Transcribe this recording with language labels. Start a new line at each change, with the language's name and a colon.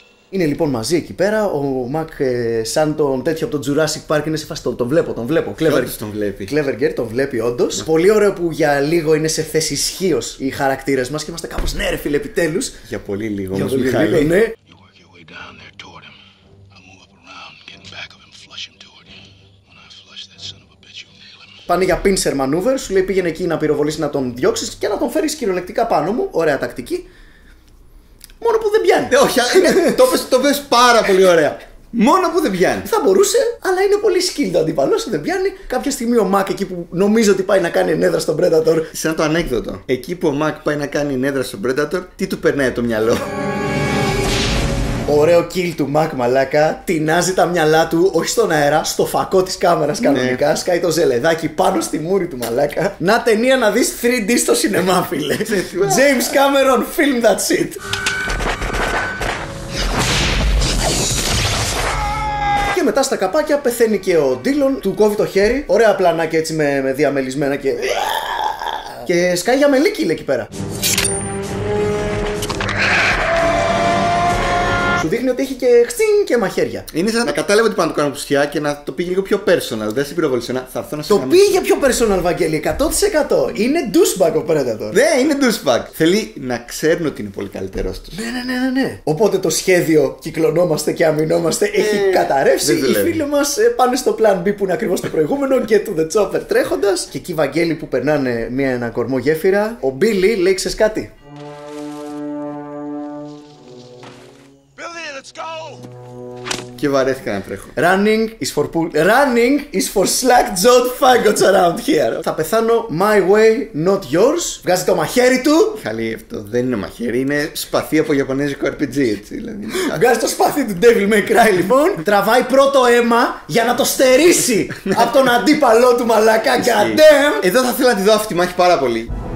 Greek: Είναι λοιπόν μαζί εκεί πέρα, ο Μακ σαν τον τέτοιο από το Jurassic Park είναι σε φάση, τον βλέπω, Clever Gear, τον βλέπει όντως. Πολύ ωραίο που για λίγο είναι σε θέση ισχύος οι χαρακτήρες μας και είμαστε κάπως ναι ρε φίλε επιτέλους. Για πολύ λίγο όμως Μιχάλη. Ναι.
English: You work your way down there toward him. I'll move up around, getting back of him, flush him toward him. When I flush that son of a bitch, you nail him.
Greek: Πάνε για pincer maneuver, σου λέει πήγαινε εκεί να πυροβολήσει να τον διώξει και να τον φέρει κυριολεκτικά πάνω μου. Ωραία τακτική. Μόνο που δεν πιάνει. Όχι, το πες πάρα πολύ ωραία. Μόνο που δεν πιάνει. Θα μπορούσε, αλλά είναι πολύ skilled ο αντιπαλός, δεν πιάνει. Κάποια στιγμή ο Μακ εκεί που νομίζω ότι πάει να κάνει ενέδρα στον Predator. Σαν το ανέκδοτο. Εκεί που ο Μακ πάει να κάνει ενέδρα στον Predator, τι του περνάει το μυαλό. Ωραίο kill του Μακ μαλάκα. Τεινάζει τα μυαλά του, όχι στον αέρα, στο φακό της κάμερας κανονικά. Ναι. Σκάει το ζελεδάκι πάνω στη μούρη του μαλάκα. Να ταινία να δεις 3D στο σινεμά, φίλε.
English: James Cameron, film that shit.
Greek: Μετά στα καπάκια πεθαίνει και ο Ντίλον, του κόβει το χέρι. Ωραία πλανάκια έτσι με διαμελισμένα και. Και σκάει για μελίκι εκεί πέρα. Σου δείχνει ότι έχει και χτσίν και μαχαίρια. Είναι σαν να κατάλαβε ότι πάνε να το κάνω ψυχιά και να το πήγε λίγο πιο personal. Δεν σε πυροβολήσω να θα έρθω να σε το χαμίσω. Πήγε πιο personal, Βαγγέλη, 100%. Είναι douchebag ο Predator. Ναι, είναι douchebag. Θέλει να ξέρουν ότι είναι πολύ καλύτερο του. Ναι. Οπότε το σχέδιο κυκλωνόμαστε και αμυνόμαστε έχει καταρρεύσει. Οι φίλοι μας πάνε στο plan B που είναι ακριβώς το προηγούμενο και του The Chopper τρέχοντας. Και εκεί, Βαγγέλη, που περνάνε ένα κορμό γέφυρα, ο Billy λέει ξέρεις κάτι. Και βαρέθηκα να τρέχω.
English: Running is for pull. Running is for slack jawed faggots around here.
Greek: Θα πεθάνω
English: my way, not yours.
Greek: Βγάζει το μαχαίρι του. Καλή αυτό. Δεν είναι μαχαίρι, είναι σπαθί από γιαπωνέζικο RPG, έτσι δηλαδή. Βγάζει το σπαθί του Devil May Cry, λοιπόν. Τραβάει πρώτο αίμα για να το στερήσει από τον αντίπαλό του μαλακά.
English: Goddamn!
Greek: Εδώ θα ήθελα να τη δω αυτή τη μάχη πάρα πολύ.